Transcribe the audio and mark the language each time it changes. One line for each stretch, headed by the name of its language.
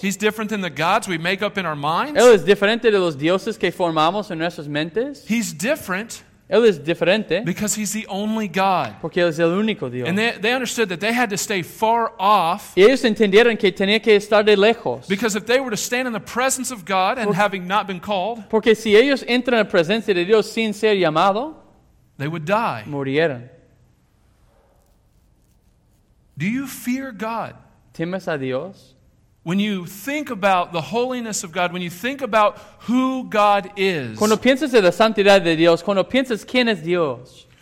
English: He's different than the gods we make up in our minds.
Spanish: Él es diferente de los dioses que formamos en nuestras mentes.
English: He's different.
Spanish: Él es diferente.
English: Because he's the only God.
Spanish: Porque él es el único Dios.
English: And they understood that they had to stay far off.
Spanish: Y ellos entendieron que tenía que estar de lejos.
English: Because if they were to stand in the presence of God and having not been called.
Spanish: Porque si ellos entran en la presencia de Dios sin ser llamado.
English: They would die.
Spanish: Murieron.
English: Do you fear God?
Spanish: ¿Temes a Dios?
English: When you think about the holiness of God, when you think about who God is.
Spanish: Cuando piensas en la santidad de Dios, cuando piensas quién es Dios.